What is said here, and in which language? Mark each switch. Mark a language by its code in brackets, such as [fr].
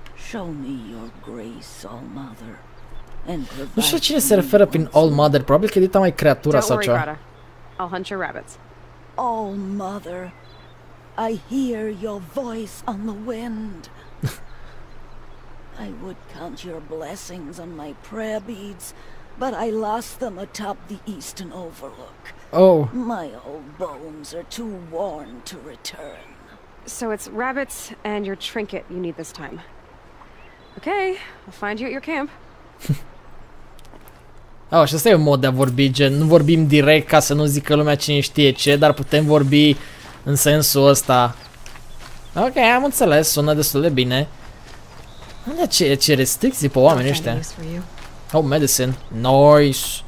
[en] Show me your grace, all mother, and provide. [ro] Nu știu cine se referă prin all mother, probabil că dita mai creatura sau ceva. [en] I'll hunt your rabbits. All mother, I hear your voice on the wind. I would count your blessings on my prayer beads, but I lost them atop the eastern overlook. Oh. My old bones are too worn to return. So it's rabbits and your trinket you need this time. Okay, I'll find you at your camp. [ro] Oh, și asta e un mod de a vorbi, gen, nu vorbim direct ca să nu zică lumea cine știe ce, dar putem vorbi în sensul ăsta. Ok, am înțeles, sună destul de bine. Unde ce restricții pe oamenii ăștia? [en] Oh, medicine. Nice.